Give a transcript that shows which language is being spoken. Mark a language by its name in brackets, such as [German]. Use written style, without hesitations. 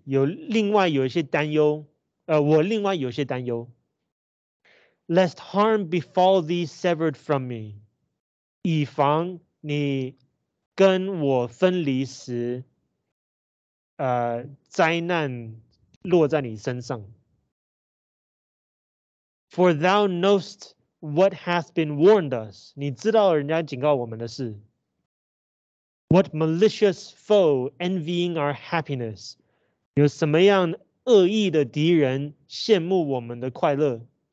[Chinese] 有另外有一些担忧，我另外有一些担忧。 [English] Lest harm befall thee severed from me. [Chinese] 以防你跟我分离时，灾难落在你身上。 [English] For thou knowest what hath been warned us. [Chinese] 你知道人家警告我们的事。 [English] What malicious foe envying our happiness? [Chinese] 有什么样恶意的敌人羡慕我们的快乐？